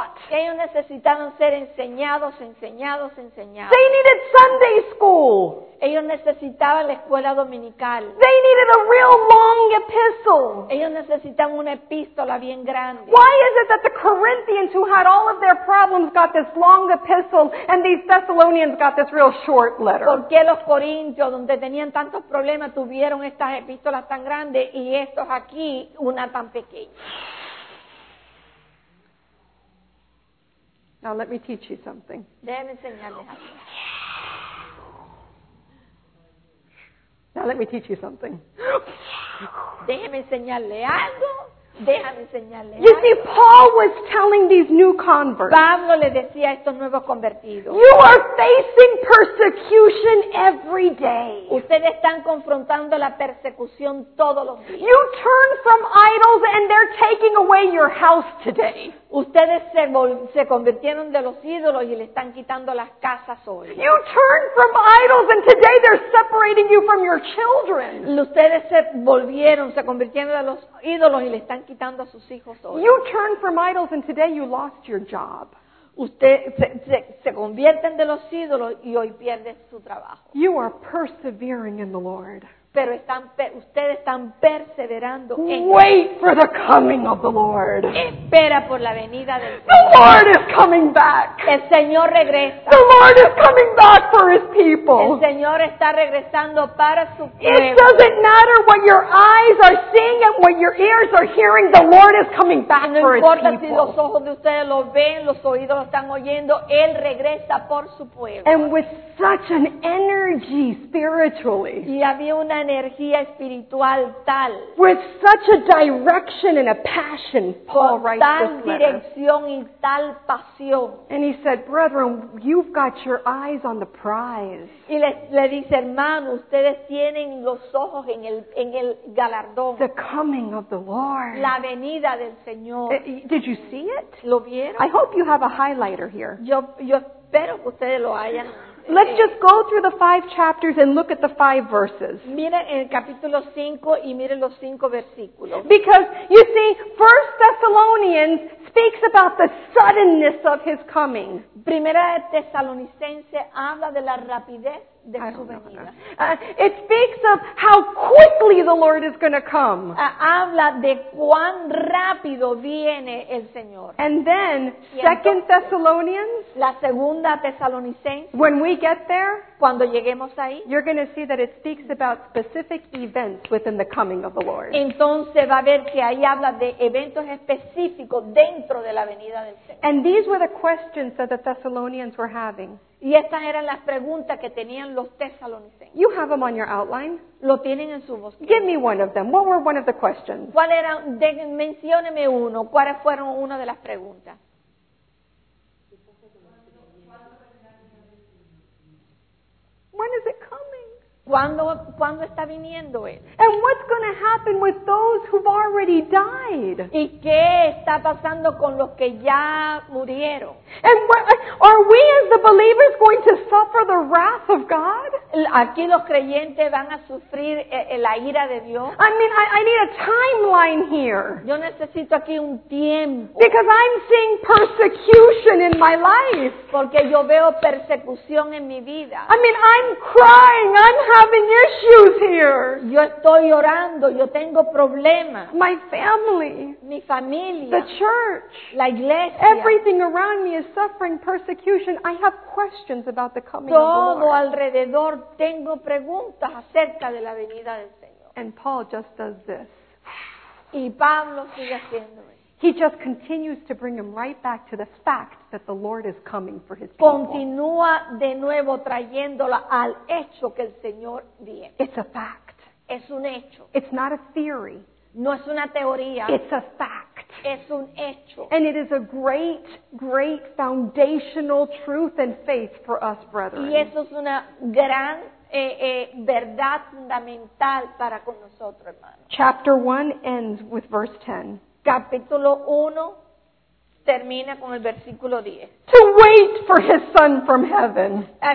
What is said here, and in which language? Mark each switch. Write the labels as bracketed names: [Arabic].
[Spanish] Ellos necesitaban ser enseñados. [English] They needed Sunday school. [Spanish] Ellos necesitaban la escuela dominical. [English] They needed a real long epistle. [Spanish] Ellos necesitaban una epístola bien grande. [English] Why is it that the Corinthians who had all of their problems got this long epistle and these Thessalonians got this real short letter? [Spanish] ¿Por qué los corintios donde tenían tantos problemas tuvieron estas epístolas tan grandes y estos aquí una tan pequeña? [English] Now let me teach you something. [Spanish] Déjame enseñarles algo. [English] Now let me teach you something. [Spanish] Déjame enseñarle algo. [English] You see, Paul was telling these new converts. [Spanish] Pablo le decía a estos nuevos convertidos. [English] You are facing persecution every day. [Spanish] Ustedes están confrontando la persecución todos los días. [English] You turn from idols and they're taking away your house today. [Spanish] Ustedes se convirtieron de los ídolos y le están quitando las casas hoy. [English] You turn from idols and today they're separating you from your children. [Spanish] Ustedes se convirtieron de los ídolos y le están quitando a sus hijos hoy. [English] You turn from idols and today you lost your job. [Spanish] Ustedes se convierten de los ídolos y hoy pierden su trabajo. [English] You are persevering in the Lord. [Spanish] Pero ustedes están perseverando en [English] wait for the coming of the Lord. [Spanish] Espera por la venida del Señor. [English] The Lord is coming back. [Spanish] El Señor regresa. [English] The Lord is coming back for his people. [Spanish] El Señor está regresando para su pueblo. [English] It doesn't matter what your eyes are seeing and what your ears are hearing, the Lord is coming back [Spanish] no [English] for his people. [Spanish] No importa si los ojos de ustedes lo ven, los oídos lo están oyendo, él regresa por su pueblo. [English] And with such an energy spiritually. [Spanish] Y había una energía espiritual tal. [English] With such a direction and a passion, Paul writes this letter. [Spanish] Con tal dirección y tal pasión. [English] And he said, brethren, you've got your eyes on the prize. [Spanish] Y le dice, hermano, ustedes tienen los ojos en el galardón. [English] The coming of the Lord. [Spanish] La venida del Señor. [English] Did you see it? [Spanish] ¿Lo vieron? [English] I hope you have a highlighter here. [Spanish] Yo espero que ustedes lo hayan. [English] Let's just go through the five chapters and look at the five verses. [Spanish] Mira el capítulo 5 y mire los 5 versículos. [English] Because you see, 1 Thessalonians speaks about the suddenness of his coming. [Spanish] Primera de Tesalonicense habla de la rapidez de su venida. [English] It speaks of how quickly the Lord is going to come. [Spanish] Habla de cuán rápido viene el Señor. [English] And then 2 Thessalonians, [Spanish] la segunda Tesalonicense, [English] when we get there, [Spanish] cuando lleguemos ahí, [English] you're going to see that it speaks about specific events within the coming of the Lord. [Spanish] Entonces va a ver que ahí habla de eventos específicos dentro de la venida del Señor. [English] And these were the questions that the Thessalonians were having. [Spanish] Y estas eran las preguntas que tenían los tesalonicenses. [English] You have them on your outline. [Spanish] Lo tienen en su bosquejo. [English] Give me one of them. What were one of the questions? [Spanish] ¿Cuál era? Mencióneme uno. ¿Cuáles fueron una de las preguntas? [English] When is it coming? [Spanish] ¿Cuándo está viniendo él? [English] And what's going to happen with those who've already died? [Spanish] ¿Y qué está pasando con los que ya murieron? [English] And are we as the believers going to suffer the wrath of God? [Spanish] ¿Aquí los creyentes van a sufrir la ira de Dios? [English] I mean, I need a timeline here. [Spanish] Yo necesito aquí un tiempo. [English] Because I'm seeing persecution in my life. [Spanish] Porque yo veo persecución en mi vida. [English] I mean, I'm crying. I'm having issues here. [Spanish] Yo estoy llorando. Yo tengo problemas. [English] My family. [Spanish] Mi familia. [English] The church. [Spanish] La iglesia. [English] Everything around me is suffering persecution. I have questions about the coming [Spanish] todo [English] of the Lord. [Spanish] Todo alrededor tengo preguntas acerca de la venida del Señor. [English] And Paul just does this. [Spanish] Y Pablo sigue haciendo esto. [English] He just continues to bring him right back to the fact that the Lord is coming for his people. [Spanish] Continúa de nuevo trayéndola al hecho que el Señor viene. [English] It's a fact. [Spanish] Es un hecho. [English] It's not a theory. [Spanish] No es una teoría. [English] It's a fact. [Spanish] Es un hecho. [English] And it is a great, great foundational truth and faith for us, brethren. [Spanish] Y eso es una gran verdad fundamental para con nosotros, hermanos. [English] Chapter 1 ends with verse 10. [Spanish] Capítulo 1 termina con el versículo 10. [English] To wait for his son from heaven.